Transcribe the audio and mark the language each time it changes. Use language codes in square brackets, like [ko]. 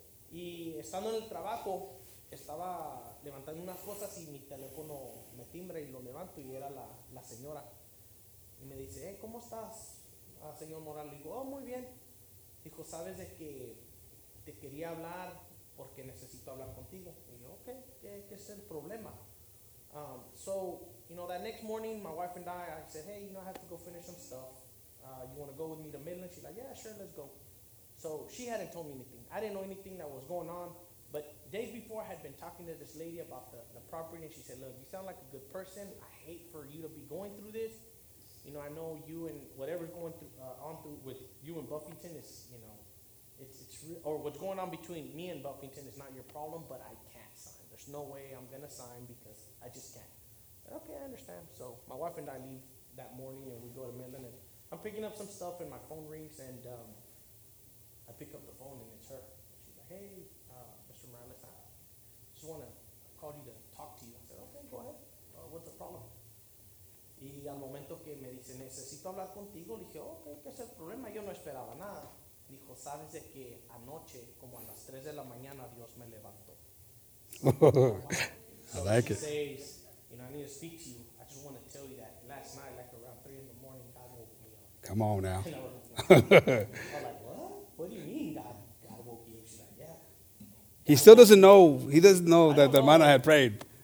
[es] Y estando en el trabajo, estaba levantando unas cosas y mi teléfono me timbra y lo levanto y era la señora. Y me dice, hey, ¿cómo estás, señor Morales? Digo, oh, muy bien. Dijo, ¿sabes de que te quería hablar porque necesito hablar contigo? Y yo, ok, ¿qué es el problema? [en] So, you know, that next morning, my wife and I said, hey, you know, I have to go finish some stuff. You want to go with me to Midland? She's like, yeah, sure, let's go. So she hadn't told me anything. I didn't know anything that was going on. But days before, I had been talking to this lady about the property, and she said, look, you sound like a good person. I hate for you to be going through this. You know, I know you and whatever's going through, on through with you and Buffington is, you know, it's real, or what's going on between me and Buffington is not your problem, but I can't sign. There's no way I'm going to sign because I just can't. But okay, I understand. So my wife and I leave that morning, and we go to Midland, and I'm picking up some stuff, and my phone rings, and I pick up the phone, and it's her. She's like, hey, Mr. Morales, I just want to call you to talk to you. I said, okay, go ahead. What's the problem? [es] Y al momento que me dice, necesito hablar contigo, le dije, ok, ¿qué es el problema? Yo no esperaba nada. Dijo, ¿sabes de que anoche, como a las 3 de la mañana, Dios me levantó? [en] I like it. She says, you know, I need to speak to you. I just want to tell you that last night, like around 3 in the morning, God woke me up. Come on now. And I was like, what? What do you mean God woke you up? She's like, yeah. He still doesn't know. He doesn't know that the hermana had prayed.